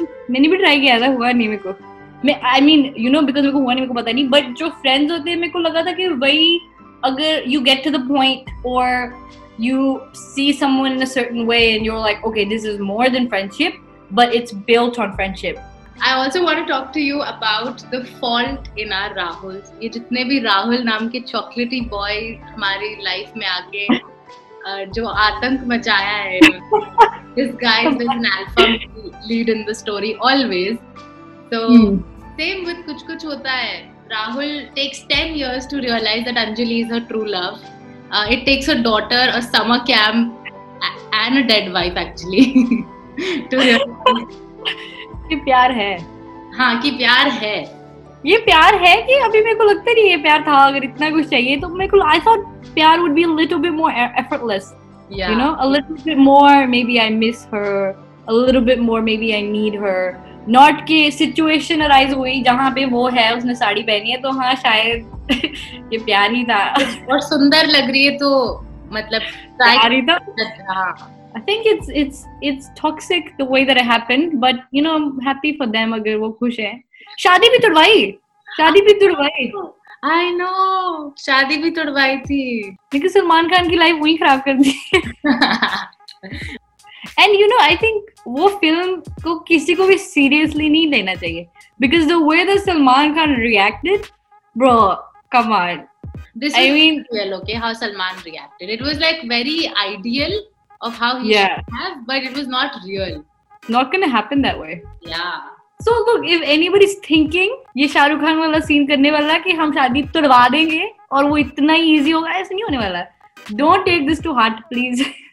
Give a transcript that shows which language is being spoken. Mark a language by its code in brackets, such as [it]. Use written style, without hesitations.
[hi] मैंने भी ट्राई किया था, हुआ नहीं मेरे को. मैं [en] I mean you know because [hi] मेरे को हुआ नहीं, मेरे को पता नहीं, बट जो फ्रेंड्स होते हैं मेरे को लगा था कि वही अगर [en] you get to the point [hi] और [en] you see someone in a certain way and you're like, okay, this is more than friendship, but it's built on friendship. I also want to talk to you about the fault in our Rahuls. [hi] ये जितने भी राहुल नाम के chocolatey boy हमारी life में आके जो आतंक मचाया है, [en] this guy is an alpha lead in the story always. So same with Kuch Kuch Hota Hai. Rahul takes 10 years to realize that Anjali is her true love. It takes a daughter, a summer camp, and a dead wife actually to realize. [hi] कि प्यार है. हाँ, कि प्यार है. ये प्यार है कि अभी मेरे को लगता नहीं ये प्यार था. अगर इतना कुछ चाहिए तो मेरे को, [en] I thought pyaar would be a little bit more effortless. Yeah. You know, a little bit more. Maybe I miss her. A little bit more. Maybe I need her. [hi] Not कि situation arise हुई जहाँ पे वो है, उसने साड़ी पहनी है, तो हाँ शायद ये प्यार ही था. और सुंदर लग रही है तो मतलब प्यार ही था. [en] I think it's toxic the way that it happened, but you know I'm happy for them. [hi] अगर वो खुश है, शादी भी तुड़वाई, शादी भी तुड़वाई. [en] I know, [hi] शादी भी तुड़वाई थी, लेकिन सलमान खान की लाइफ वही खराब कर दी. [en] And you know, I think [hi] वो फिल्म को किसी को भी सीरियसली नहीं लेना चाहिए, [en] because the way that Salman Khan reacted, bro, come on. This I mean, real, okay, how Salman reacted. It was like very ideal of how he should have, but it was not real. Not gonna happen that way. Yeah. So look, if anybody's thinking [hi] ये शाहरुख खान वाला scene करने वाला कि हम शादी तोड़वा देंगे और वो इतना easy होगा, ऐसा नहीं होने वाला. [en] Don't take this to heart, please.